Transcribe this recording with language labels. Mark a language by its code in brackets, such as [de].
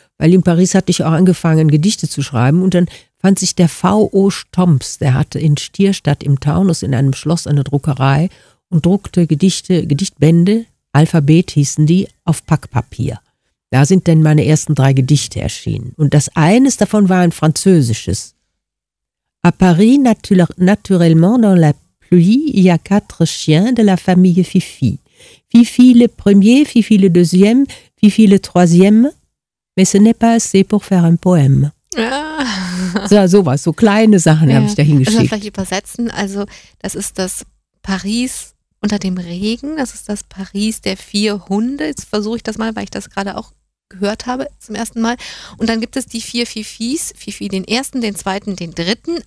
[de] Weil in Paris hatte ich auch angefangen, Gedichte zu schreiben. Und dann fand sich der V.O. Stomps, der hatte in Stierstadt im Taunus in einem Schloss eine Druckerei und druckte Gedichtbände. Alphabet hießen die, auf Packpapier. Da sind denn meine ersten drei Gedichte erschienen. Und das eines davon war ein französisches. [fr] À Paris, naturellement dans la pluie, il y a quatre chiens de la famille Fifi. Fifi le premier, Fifi le deuxième, Fifi le troisième. Mais ce n'est pas assez pour faire un poème. [de] Ja. So was, so kleine Sachen ja. Habe ich da hingeschickt. Also vielleicht übersetzen, also das ist das Paris unter dem Regen, das ist das Paris der vier Hunde. Jetzt versuche ich das mal, weil ich das gerade auch gehört habe zum ersten Mal. Und dann gibt es die vier Fifis, Fifi den ersten, den zweiten, den dritten.